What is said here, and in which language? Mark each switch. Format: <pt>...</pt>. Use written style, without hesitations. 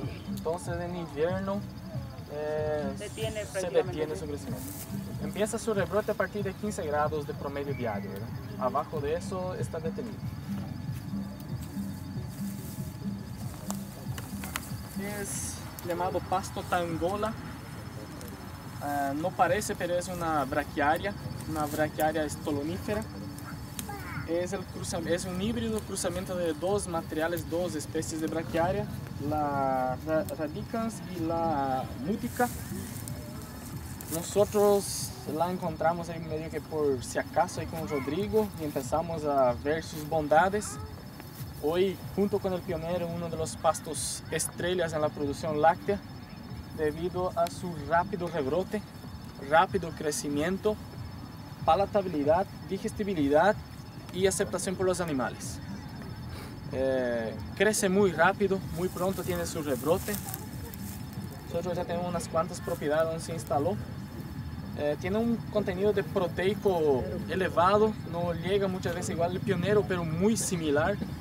<pt>Então, em inverno,</pt> <es>se detiene</es> <pt>o crescimento.</pt> <es>Empieza su rebrote a partir de 15 grados de promedio diario, ¿verdad? Abajo de eso está detenido. Es llamado pasto tangola. No parece, pero es una braquiaria estolonífera. Es un híbrido cruzamiento de dos materiales, dos especies de braquiaria, la radicans y la mútica.</es> <pt>Nosotros lá encontramos aí meio que por se acaso aí com o Rodrigo e começamos a ver suas bondades. Hoje, junto com o pioneiro, um dos pastos estrelas na produção láctea, devido a seu rápido rebrote, rápido crescimento, palatabilidade, digestibilidade e aceitação pelos animais. Cresce muito rápido, muito pronto tem seu rebrote. Nós já temos umas quantas propriedades onde se instalou.</pt> <es>Tiene un contenido de proteico elevado, no llega muchas veces igual al pionero, pero muy similar.</es>